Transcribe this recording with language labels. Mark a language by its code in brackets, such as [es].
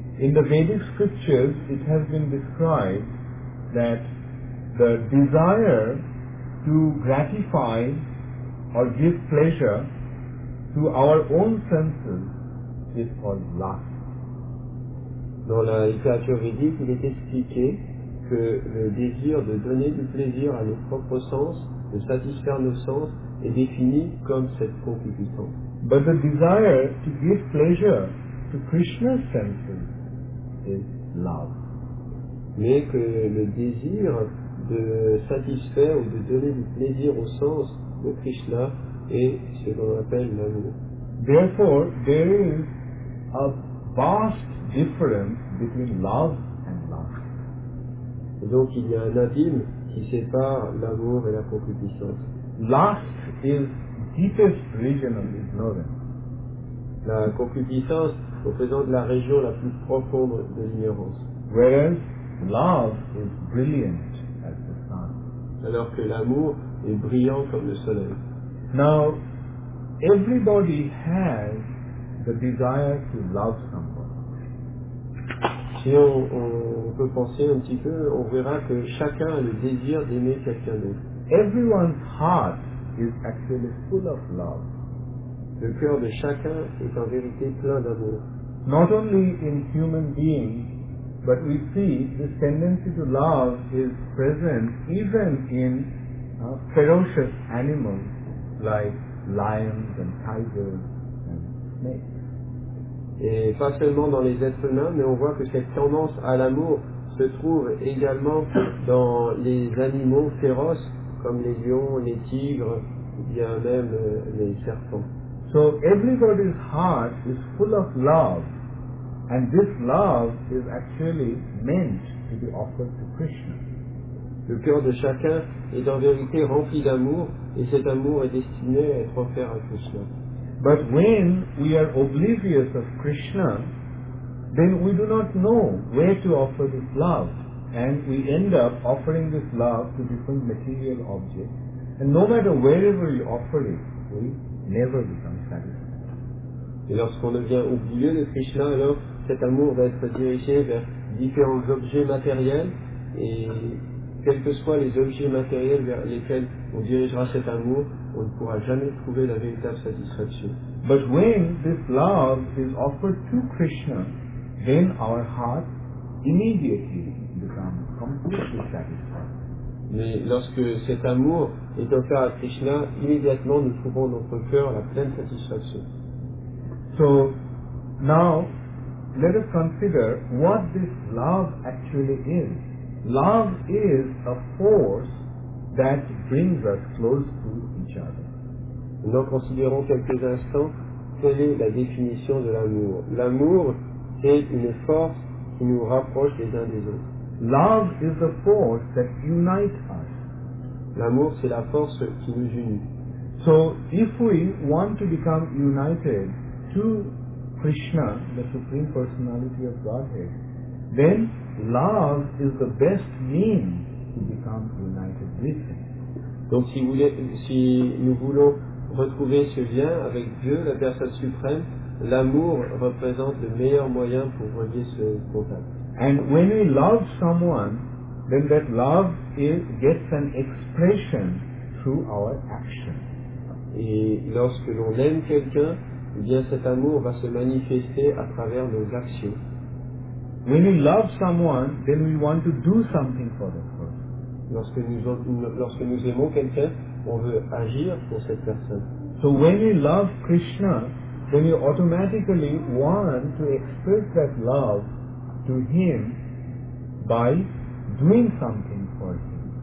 [en] In the Vedic scriptures, it has been described that the desire to gratify or give pleasure to our own senses is called lust. [fr] Dans la littérature védique, il est expliqué que le désir de donner du plaisir à nos propres sens, de satisfaire nos sens, est défini comme cette concupiscence. [en] But the desire to give pleasure to Krishna's senses is love. [fr] Mais que le désir de satisfaire ou de donner du plaisir au sens de Krishna est ce qu'on appelle l'amour. [en] Therefore, there is a vast difference between love and lust. [fr] Donc il y a un abîme qui sépare l'amour et la concupiscence. [en] Lust is deepest region of ignorance. [fr] La concupiscence représente la région la plus profonde de l'ignorance. [en] Whereas love is brilliant as the sun. [fr] Alors que l'amour est brillant comme le soleil. [en] Now, everybody has the desire to love someone. [fr] Si on peut penser un petit peu, on verra que chacun a le désir d'aimer quelqu'un d'autre. [en] Everyone's heart is actually full of love. [fr] Le cœur de chacun est en vérité plein d'amour. [en] Not only in human beings, but we see this tendency to love is present even in ferocious animals like lions and tigers and snakes. [fr] Et pas seulement dans les êtres humains, mais on voit que cette tendance à l'amour se trouve également dans les animaux féroces comme les lions, les tigres, ou bien même les serpents. [en] So everybody's heart is full of love, and this love is actually meant to be offered to Krishna. [fr] Le cœur de chacun est en vérité rempli d'amour, et cet amour est destiné à être offert à Krishna. [en] But when we are oblivious of Krishna, then we do not know where to offer this love. And we end up offering this love to different material objects. And no matter wherever you offer it, we never become satisfied. [fr] Et lorsqu'on devient oublieux de Krishna, alors cet amour va être dirigé vers différents objets matériels. Et quels que soient les objets matériels vers lesquels on dirigera cet amour, on ne pourra jamais trouver la véritable satisfaction. [en] But when this love is offered to Krishna, then our heart immediately becomes completely satisfied. [fr] Mais lorsque cet amour est offert à Krishna, immédiatement nous trouvons notre cœur la pleine satisfaction. [en] So now let us consider what this love actually is. Love is a force that brings us close to each other. [fr] Nous considérons quelques instants quelle est la définition de l'amour. L'amour est une force qui nous rapproche les uns des autres. [en] Love is the force that unites us. [fr] L'amour, c'est la force qui nous unit. [en] So if we want to become united to Krishna, the Supreme Personality of Godhead, then love is the best means to become united with Him. [fr] Donc si nous voulons retrouver ce lien avec Dieu, la Personne Suprême, l'amour représente le meilleur moyen pour relier ce contact. [en] And when we love someone, then that love gets an expression through our action. [fr] Et lorsque l'on aime quelqu'un, bien cet amour va se manifester à travers nos actions. [en] When we love someone, then we want to do something for that person. [fr] Lorsque nous aimons quelqu'un, on veut agir pour cette personne. [en] So when we love Krishna, then you automatically want to express that love to Him by doing something for Him.